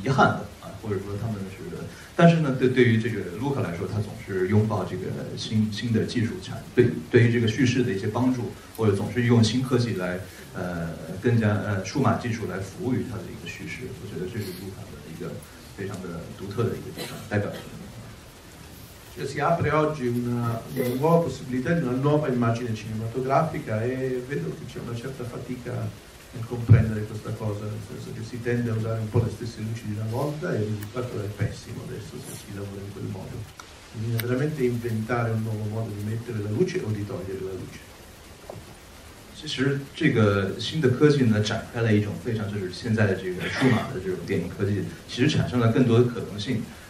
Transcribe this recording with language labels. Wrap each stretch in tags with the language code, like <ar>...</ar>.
<zh>其实这个不知道在中国是不是这样的一个情况，就是在意大利呢，大家其实对这个胶片的这个丧失是很多的摄影指导是有一些遗憾的啊，或者说他们是，但是呢，对于这个 Luca 来说，他总是拥抱这个新的技术产，对于这个叙事的一些帮助，或者总是用新科技来，更加数码技术来服务于他的一个叙事，我觉得这是 Luca 的一个非常的独特的一个地方，代表性的。</zh> <it>Si apre oggi una nuova possibilità di una nuova immagine cinematografica e vedo che c'è una certa fatica nel comprendere questa cosa, nel senso che si tende a usare un po' le stesse luci di una volta e il risultato è pessimo adesso se si lavora in quel modo. Bisogna veramente inventare un nuovo modo di mettere la luce o di togliere la luce.</it> <zh>其实这个新的科技呢，展开了一种非常就是现在的这个数码的这种电影科技，其实产生了更多的可能性。</zh>